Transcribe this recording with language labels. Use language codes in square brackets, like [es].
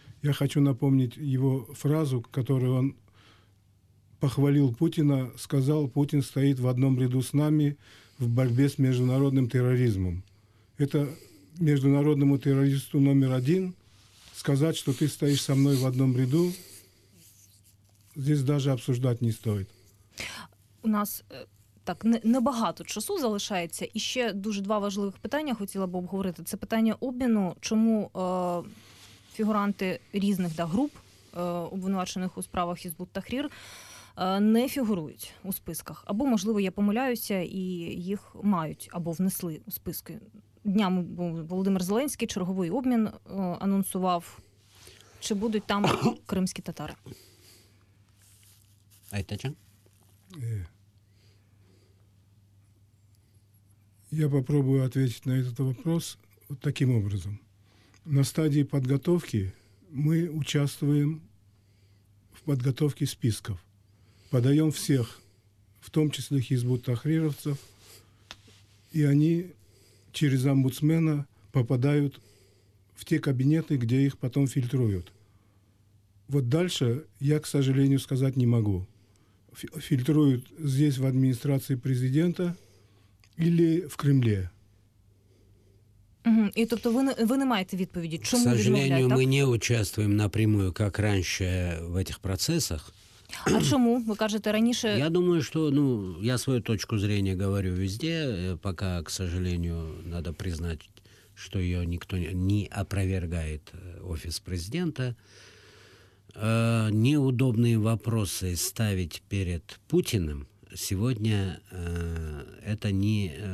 [ru] Я хочу напомнить его фразу, которую он похвалил Путина, сказал: «Путин стоит в одном ряду с нами в борьбе с международным терроризмом». Это международному террористу номер один сказать, что ты стоишь со мной в одном ряду, здесь даже обсуждать не стоит. [uk] У нас так, небагато часу залишається. І ще дуже два важливих питання хотіла б обговорити. Це питання обміну, чому фігуранти різних груп, обвинувачених у справах Хізбут-Тахрір, не фігурують у списках. Або, можливо, я помиляюся, і їх мають або внесли у списки. Днями Володимир Зеленський черговий обмін анонсував. Чи будуть там кримські татари? Айтача? [ru] Я попробую [uk] відповісти на цей [ru] вопрос вот таким образом. На стадии подготовки мы участвуем в подготовке списков. Подаем всех, в том числе хизбут-тахрировцев, и они через омбудсмена попадают в те кабинеты, где их потом фильтруют. Вот дальше я, к сожалению, сказать не могу. Фильтруют здесь, в администрации президента или в Кремле. Угу. [uk] И тобто ви не маєте відповіді, чому відмовляють? [ru] К сожалению, [uk] ми не участвуємо напрямую, як раніше, в цих процесах. А чому? Ви кажете, раніше... [ru] Я думаю, що, ну, я свою точку зрения говорю везде, пока, к сожалению, надо признать, что ее никто не опровергает офис президента. Неудобные вопросы ставить перед Путиным сегодня это не...